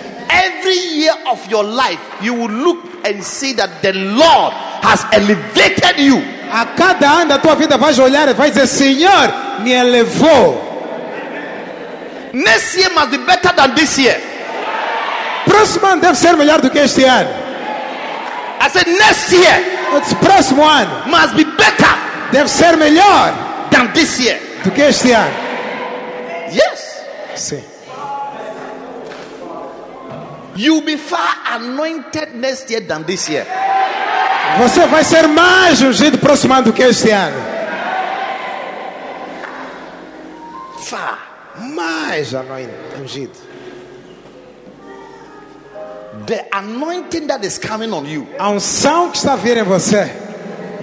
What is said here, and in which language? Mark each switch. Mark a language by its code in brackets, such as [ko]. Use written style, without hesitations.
[en] Every year of your life, you will look and see that the Lord has elevated you. [pt] A cada ano da tua vida vais olhar e vais dizer, Senhor, me elevou. [en] Next year must be better than this year. [pt] Próximo ano deve ser melhor do que este ano. [en] I said next year. [pt] It's próximo ano. [en] Must be better. [pt] Deve ser melhor [en] than this year. [pt] Do que este ano. [en] Yes. [pt] Sim. [en] You'll be far anointed next year than this year. [pt] Você vai ser mais ungido próximo ano do que este ano. [en] Far. [pt] Mais ungido. [en] The anointing that is coming on you. [pt] A unção que está a vir em você.